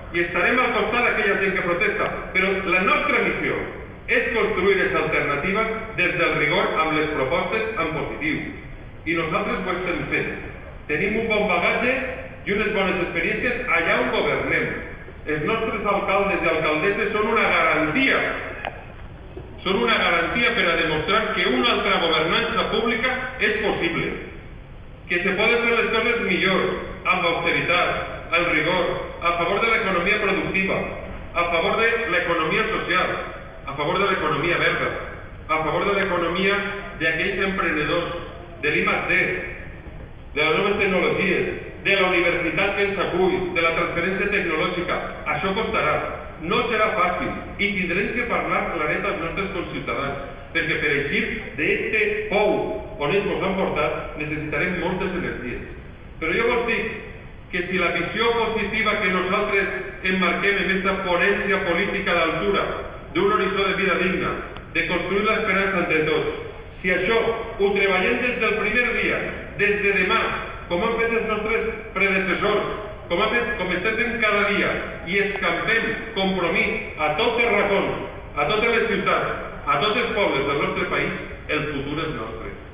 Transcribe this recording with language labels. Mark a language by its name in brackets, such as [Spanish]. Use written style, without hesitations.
[Catalan] I estarem al costat d'aquella gent que protesta. Però la nostra missió és construir aquesta alternativa des del rigor amb les propostes en positiu. I nosaltres ho estem fent. Tenim un bon bagatge i unes bones experiències allà on governem. Els nostres alcaldes i alcaldesses són una garantia [Spanish] son una garantía para demostrar que una otra gobernanza pública es posible. Que se puede hacer las cosas mejor, a la austeridad, al rigor, a favor de la economía productiva, a favor de la economía social, a favor de la economía verde, a favor de la economía de aquellos emprendedores, del I+D, de las nuevas tecnologías, de la universidad en Sacuy, de la transferencia tecnológica. [Catalan] Això costarà. [Spanish] No será fácil y tendremos que hablar claramente con nuestros conciudadanos, porque para salir de este [Catalan] pou on ells nos han portat, necessitarem moltes energies. Però jo vos dic que si la visió positiva que nosaltres emmarquem en aquesta ponència política d'altura d'un horitzó de vida digna, de construir l'esperança entre tots, si això ho treballem des del primer dia, des de demà, com han fet els nostres predecessors, com estem fent cada dia, i escampem compromís a tots els racons, a totes les ciutats, a tots els pobles del nostre país, el futur és nostre.